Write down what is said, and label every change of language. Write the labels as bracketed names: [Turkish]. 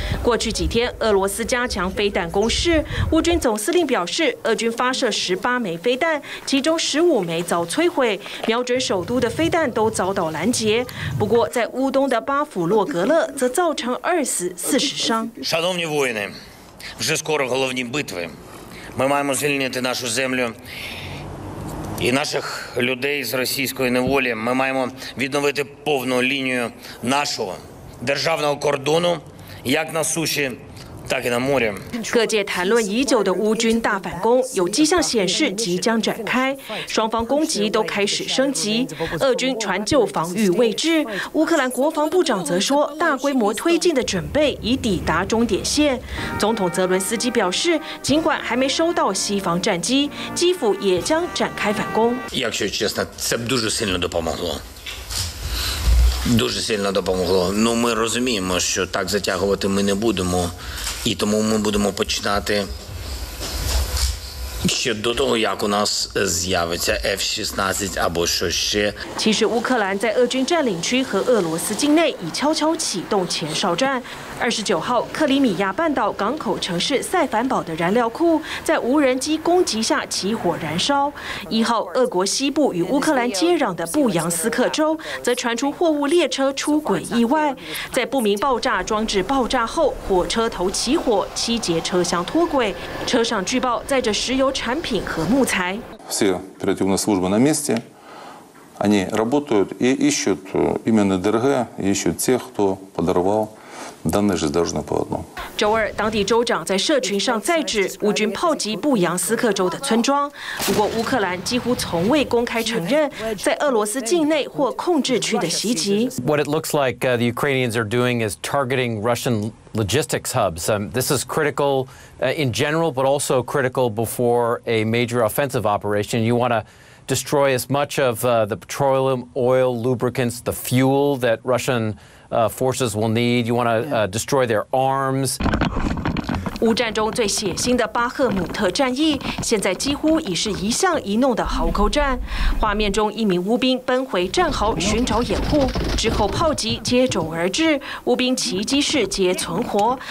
[Chinese] 过去几天，俄罗斯加强飞弹攻势。乌军总司令表示，俄军发射18枚飞弹，其中15枚遭摧毁，瞄准首都的飞弹都遭到拦截。不过，在乌东的巴甫洛格勒，则造成20死40伤。 [Ukrainian] Шановні воїни, вже скоро головні битви. Ми маємо звільнити нашу землю і наших людей з російської неволі. Ми маємо відновити повну лінію нашого державного кордону, як на суші. [Chinese] 各界谈论已久的乌军大反攻，有迹象显示即将展开，双方攻击都开始升级。俄军传就防御位置，乌克兰国防部长则说，大规模推进的准备已抵达终点线。总统泽伦斯基表示，尽管还没收到西方战机，基辅也将展开反攻。 [Ukrainian] Якщо чесно, це дуже сильно допомогло. Дуже сильно допомогло. Ну, ми розуміємо, що так затягувати ми не будемо. І тому ми будемо починати ще до того, як у нас з'явиться F-16 або що ще. [Chinese] 其实乌克兰在俄军占领区和俄罗斯境内已悄悄启动前哨战。 29号，克里米亚半岛港口城市塞凡堡的燃料库在无人机攻击下起火燃烧。 1号，俄国西部与乌克兰接壤的布扬斯克州则传出货物列车出轨意外，在不明爆炸装置爆炸后，火车头起火，7节车厢脱轨，车上据报载着石油产品和木材。 [Russian] Все оперативные службы на месте, они работают и ищут именно ДРГ, ищут тех, кто подорвал. Данные же должны по одному. [Chinese] 周二，当地州长在社群上再指乌军炮击布扬斯克州的村庄。不过，乌克兰几乎从未公开承认在俄罗斯境内或控制区的袭击。 [English] What it looks like the Ukrainians are doing is targeting Russian logistics hubs. This is critical in general, but also critical before a major offensive operation. You want to destroy as much of the petroleum, oil, lubricants, the fuel that Russian forces will need. You want to destroy their arms. [Chinese] 乌战中最血腥的巴赫姆特战役，现在几乎已是一巷一弄的壕沟战。画面中，一名乌兵奔回战壕寻找掩护，之后炮击接踵而至，乌兵奇迹式皆存活。